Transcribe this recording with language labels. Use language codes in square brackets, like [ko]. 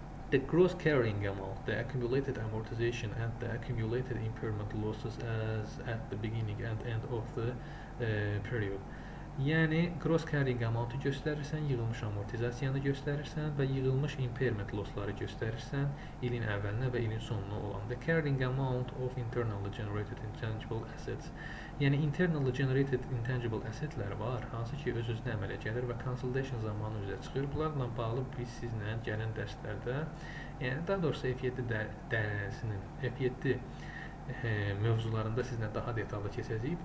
[en] The gross carrying amount, the accumulated amortization and the accumulated impairment losses as at the beginning and end of the period. [az] Yəni gross carrying amount-u göstərirsən, yığılmış amortizasiyanı göstərirsən və yığılmış impairment loss-ları göstərirsən ilin əvvəlinə və ilin sonuna olan. [en] The carrying amount of internally generated intangible assets. [az] Yəni internally generated intangible assetlər var, hansı ki öz-özünə əmələ gəlir və consolidation zamanı üzə çıxır. Bunlarla bağlı biz sizinlə gələn dərslərdə, yəni daha doğrusu F7 dərsinin F7 mövzularında sizinlə daha detallı keçəcəyik.